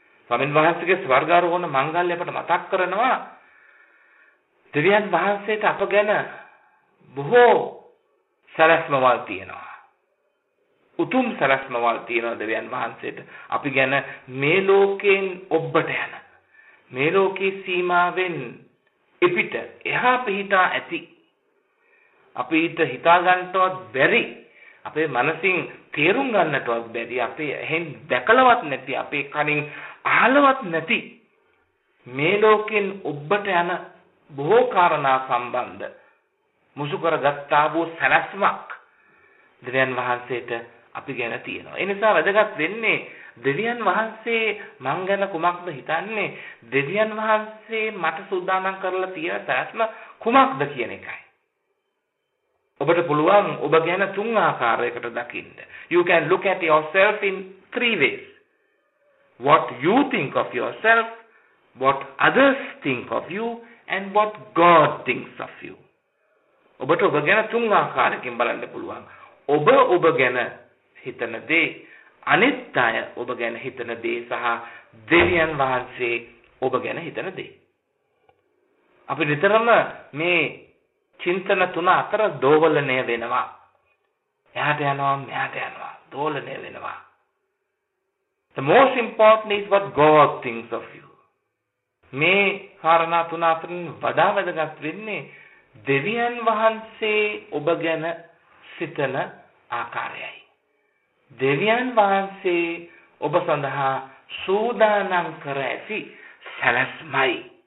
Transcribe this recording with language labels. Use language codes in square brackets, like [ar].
[si] ස්වාමීන් වහන්සේගේ ස්වර්ගාරෝහණ මංගල්‍ය අපට මතක් කරනවා. දෙවියන් වහන්සේට අප ගැන බොහෝ සැලැස්මවල් තියෙනවා. උතුම් සැලැස්මවල් තියෙනවා දෙවියන් වහන්සේට අපි ගැන මේ ලෝකයෙන් ඔබට යන. මේ ලෝකයේ සීමාවෙන් එපිට එහා පිහිටා ඇති. අපිට හිතා ගන්නටවත් බැරි. අපේ මනසින් තේරුම් ගන්නටවත් බැරි. අපේ ඇහෙන් දැකලවත් නැති. අපේ කනින් අහලවත් නැති. මේ ලෝකයෙන් ඔබට යන බොහෝ කාරණා සම්බන්ධ මුසු කරගත්තා වූ සැලැස්මක් දෙවියන් වහන්සේට අපි ගැන තියෙනවා. ඒ නිසා වැදගත් වෙන්නේ දෙවියන් වහන්සේ මං ගැන කුමක්ද හිතන්නේ, දෙවියන් වහන්සේ මට සූදානම් කරලා තියෙන සැලැස්ම කුමක්ද කියන එකයි. ඔබට පුළුවන් ඔබ ගැන තුන් ආකාරයකට දකින්න. [en] You can look at yourself in three ways. What you think of yourself, what others think of you, and what God thinks of you. [si] ඔබට ඔබ ගැන තුන් ආකාරකින් බලන්න පුළුවන්. ඔබ ඔබ ගැන හිතන දේ, අනිත් අය ඔබ ගැන හිතන දේ සහ දෙවියන් වහන්සේ ඔබ ගැන හිතන දේ. අපි නිතරම මේ චින්තන තුන අතර දෝලනය වෙනවා. එහාට යනවා, මෙහාට යනවා, දෝලනය වෙනවා. [en] The most important is what God thinks of you. [si] මේ කාරණා තුන අතරින් වඩා වැදගත් වෙන්නේ දෙවියන් වහන්සේ ඔබ ගැන සිතන ආකාරයයි. දෙවියන් වහන්සේ ඔබ සඳහා සූදානම් කර ඇති සැලැස්මයි.